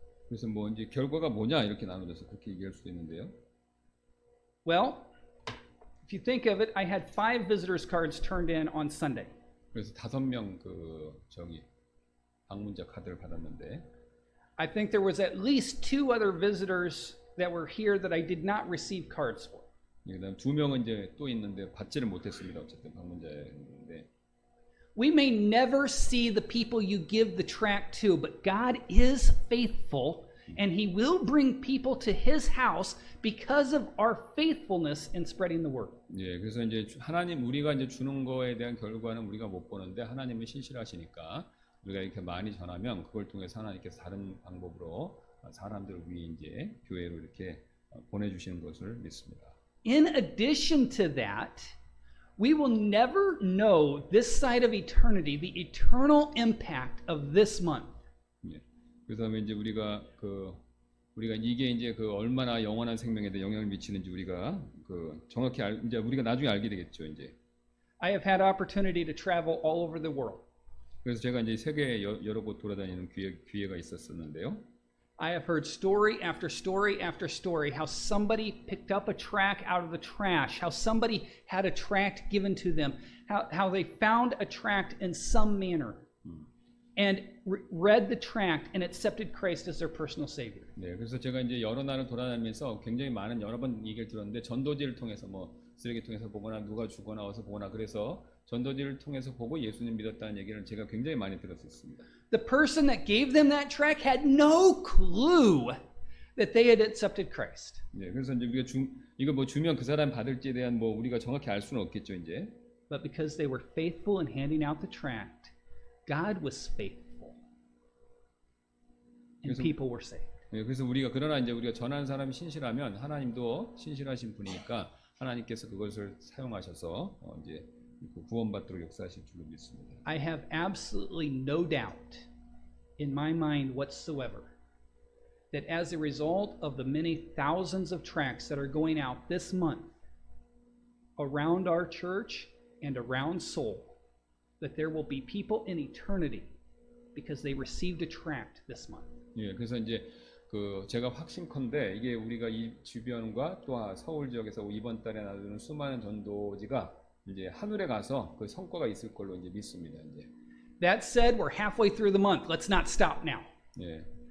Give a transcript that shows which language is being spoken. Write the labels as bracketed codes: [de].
[ko] 그래서 뭐 이제 결과가 뭐냐 이렇게 나누어서 그렇게 얘기할 수도 있는데요. [en] Well, if you think of it, I had 5 visitors cards turned in on Sunday. [ko] 그래서 5명 그 정이 방문자 카드를 받았는데. [en] I think there was at least 2 other visitors that were here that I did not receive cards for. [ko] 예, 그다음 두 명은 이제 또 있는데 받지를 못했습니다. 어쨌든 방문자였는데. [en] We may never see the people you give the tract to, but God is faithful, and He will bring people to His house because of our faithfulness in spreading the word. [ko] 예, 그래서 이제 하나님 우리가 이제 주는 거에 대한 결과는 우리가 못 보는데 하나님은 신실하시니까 우리가 이렇게 많이 전하면 그걸 통해서 하나님께서 다른 방법으로 사람들을 위해 이제 교회로 이렇게 보내주시는 것을 믿습니다. [en] In addition to that. We will never know this side of eternity, the eternal impact of this month. [ko] 예, 그다음에 이제 우리가 이게 이제 그 얼마나 영원한 생명에 대해 영향을 미치는지 우리가 그 정확히 이제 우리가 나중에 알게 되겠죠, 이제. [en] I have had opportunity to travel all over the world. [ko] 그래서 제가 이제 세계 여러 곳 돌아다니는 기회가 있었었는데요. [en] I have heard story after story after story how somebody picked up a tract out of the trash, how somebody had a tract given to them, how they found a tract in some manner and read the tract and accepted Christ as their personal savior. [ko] 네, 그래서 제가 이제 여러 날을 돌아다니면서 굉장히 많은 여러 번 얘기를 들었는데 전도지를 통해서 뭐 쓰레기통에서 보거나 누가 죽어나 와서 보거나 그래서 전도지를 통해서 보고 예수님 믿었다는 얘기를 제가 굉장히 많이 들었었습니다. [en] The person that gave them that tract had no clue that they had accepted Christ. [ko] 네, 그래서 이제 우리가 이거 뭐 주면 그 사람 받을지에 대한 뭐 우리가 정확히 알 수는 없겠죠, 이제. [en] But because they were faithful in handing out the tract, God was faithful. And [ko] 그래서, [en] people were saved. [ko] 네, 그래서 우리가 그러나 이제 우리가 전한 사람이 신실하면 하나님도 신실하신 분이니까 하나님께서 그것을 사용하셔서 이제 구원받도록 역사하실 줄 믿습니다. [en] I have absolutely no doubt in my mind whatsoever that as a result of the many thousands of tracts that are going out this month around our church and around Seoul, that there will be people in eternity because they received a tract this month. [ko] 예, 그래서 이제 그 제가 확신컨대 이게 우리가 이 주변과 또 서울 지역에서 이번 달에 나누는 수많은 전도지가 이제 하늘에 가서 그 성과가 있을 걸로 이제 믿습니다. 이제. [en] That said, we're halfway through the month. Let's not stop now. [ko] 예.